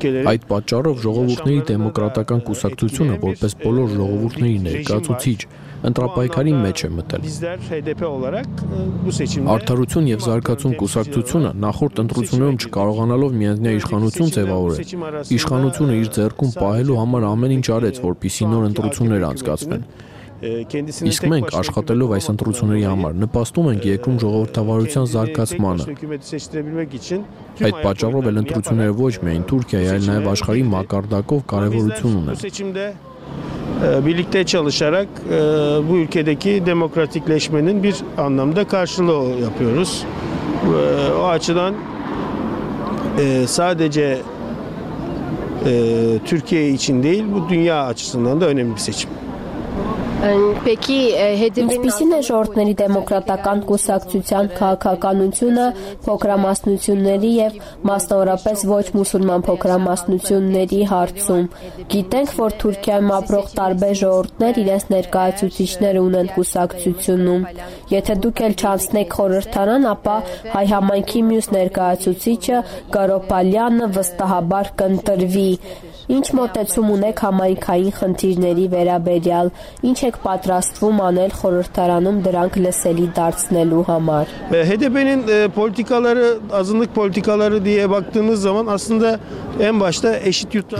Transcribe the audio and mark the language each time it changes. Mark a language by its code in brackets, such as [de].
[hy] Այդ պատճառով ժողովուրդների դեմոկրատական կուսակցությունը որպես բոլոր ժողովուրդների ներկայացուցիչ ընտրապայքարի մեջ է մտել։ Արդարություն և զարգացում կուսակցությունը նախորդ ընտրություններում չկարողանալով միանձնյա իշխանություն ձևավորել, իշխանությունը իր ձեռքում պահելու համար ամեն ինչ արեց, որպեսզի նոր ընտրություններ անցկացվեն։ Իսկ մենք, աշխատելով այս ընտրությունների համար, նպաստում ենք երկրում ժողովրդավարության զարգացմանը։ Այդ պատճառով էլ ընտրությունները ոչ միայն Թուրքիայի, այլ նաև աշխարհի մակարդակով կարևորություն ունեն։ [tr] Birlikte çalışarak bu ülkedeki demokratikleşmenin bir anlamda karşılığı yapıyoruz. O açıdan sadece Türkiye için değil, bu dünya açısından da önemli bir seçim. [hy] Պեկի հետևին է ժողովրդների դեմոկրատական կուսակցության քաղաքականությունը փոքրամասնությունների եւ մասնավորապես ոչ մուսուլման փոքրամասնությունների հարցում։ Գիտենք, որ Թուրքիայում ապրող տարբեր ժողովուրդներ իրենց ներկայացուցիչները ունեն կուսակցությունում։ Եթե դուք էլ չանցնեք խորհրդարան, ապա հայ համայնքի մյուս ներկայացուցիչը Գարոպալյանը վստահաբար կընտրվի։ Ինչ մոտեցում ունեք համայնքային խնդիրների վերաբերյալ, ինչ է եք պատրաստվում անել խորհրդարանում դրանք լսելի դարձնելու համար? [tr] HDP-nin politikaları, azınlık politikaları diye baktığınız zaman aslında en başta eşit yurttaş.